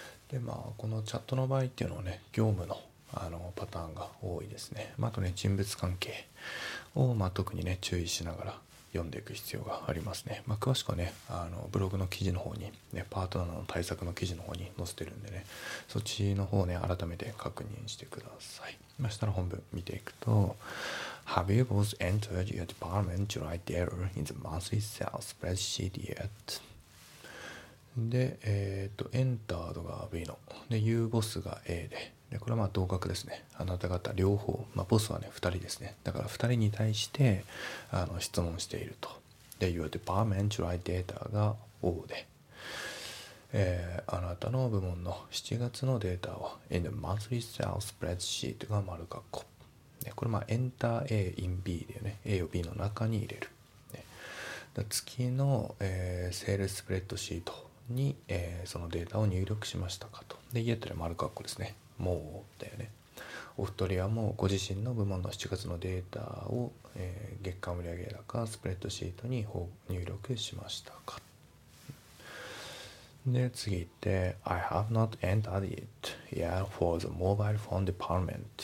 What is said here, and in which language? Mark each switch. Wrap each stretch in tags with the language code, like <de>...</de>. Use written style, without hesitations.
<ja>で、まあこのチャットの場合っていうのはね、業務のあのパターンが多いですね。まあ、あとね、人物関係を、まあ、特にね注意しながら読んでいく必要がありますね。まあ、詳しくはね、あのブログの記事の方に、ね、パートナーの対策の記事の方に載せてるんでね、そっちの方ね改めて確認してください。まあ、したら本文見ていくと、</ja> <en>Have you both entered your department July data in the monthly sales spreadsheet yet?</en> <ja>で、entered が B の、で、you boss が A で、でこれはまあ同格ですね。あなた方両方、まあ、ボスはね2人ですね。だから2人に対してあの質問していると。で、</ja> <en>Your department July data</en> <ja>が O で、あなたの部門の7月のデータを</ja> <en>In the monthly sales spreadsheet</en> <ja>が丸括弧、これまあ</ja> <en>Enter A in B</en> <ja>でね、 A を B の中に入れる、ね、だ月の、セールスプレッドシートに、そのデータを入力しましたかと。で、 Yet で丸括弧ですね、もうだよね。お二人はもうご自身の部門の7月のデータを、月間売上高スプレッドシートに入力しましたか。で、次行って、</ja> <en>I have not entered it yet for the mobile phone department.</en>